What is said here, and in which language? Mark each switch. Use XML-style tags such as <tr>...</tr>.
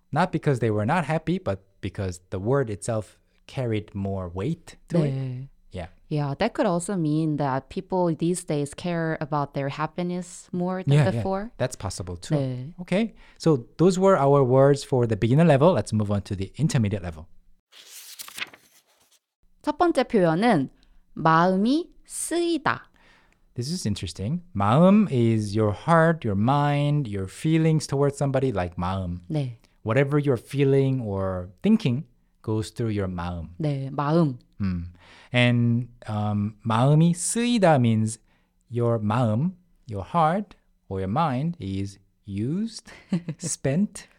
<en>Not because they were not happy, but because the word itself carried more weight to</en> <ko>네.</ko> <en>It. Yeah. Yeah, that could also mean that people these days care about their happiness more than before. Yeah, that's possible too.</en> <ko>네.</ko> <en>Okay, so those were our words for the beginner level. Let's move on to the intermediate level.</en> <ko>첫 번째 표현은 마음이 쓰이다.</ko> <en>This is interesting. 마음 is your heart, your mind, your feelings towards somebody, like 마음.</en> <ko>네.</ko> <en>Whatever you're feeling or thinking goes through your 마음.</en> <ko>네, 마음.</ko> <en>And</en> <ko>마음이 쓰이다</ko> <en>means your 마음, your heart, or your mind is used, spent</en>